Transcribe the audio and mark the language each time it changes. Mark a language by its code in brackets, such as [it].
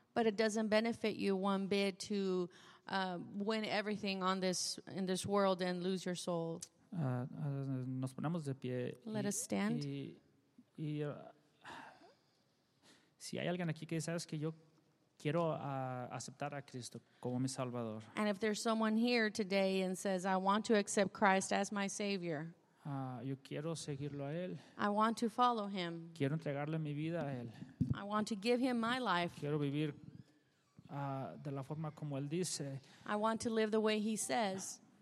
[en] But it doesn't benefit you one bit to win everything on this in this world and lose your soul. [es] Nos ponemos de pie. [en] Let us stand. [es] Y si hay alguien aquí que sabes que yo quiero aceptar a Cristo como mi Salvador. [en] And if there's someone here today and says I want to accept Christ as my Savior. [es] Yo quiero seguirlo a él. [en] I want to follow him. [es] Quiero entregarle mi vida a él. [en] I want to give him my life. [es] Quiero vivir de la forma como él dice. [en] I want to live the way he says.